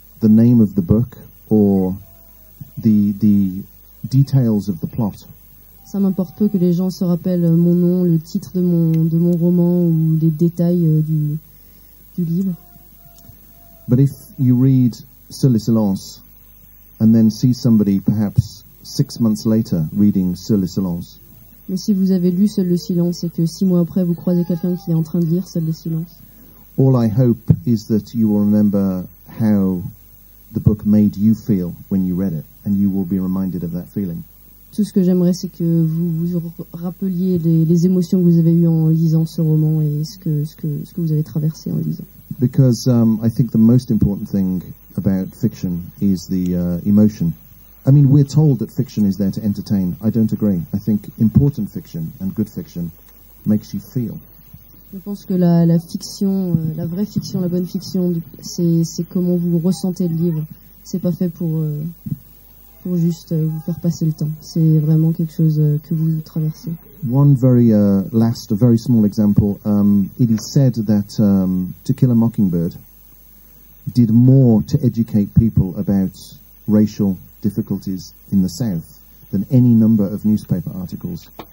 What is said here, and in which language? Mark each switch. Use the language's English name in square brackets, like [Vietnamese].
[English] the name of the book or the details of the plot. [French] Ça m'importe peu que les gens se rappellent mon nom, le titre de mon roman ou les détails du livre. [English] But if you read Sur le silence and then see somebody perhaps 6 months later reading Sur le silence. [French] Mais si vous avez lu Seul le silence et que 6 mois après vous croisez quelqu'un qui est en train de lire Seul le silence. [English] All I hope is that you will remember how the book made you feel when you read it, and you will be reminded of that feeling. [French] Tout ce que j'aimerais, c'est que vous vous rappeliez les émotions que vous avez eues en lisant ce roman et ce que vous avez traversé en lisant. [English] Because I think the most important thing about fiction is the emotion. I mean, we're told that fiction is there to entertain. I don't agree. I think important fiction and good fiction makes you feel. [French] Je pense que la fiction, la vraie fiction, la bonne fiction, c'est comment vous ressentez le livre. C'est pas fait pour juste vous faire passer le temps. C'est vraiment quelque chose que vous traversez. [English] One very last, a very small example. It is said that To Kill a Mockingbird did more to educate people about racial difficulties in the South than any number of newspaper articles.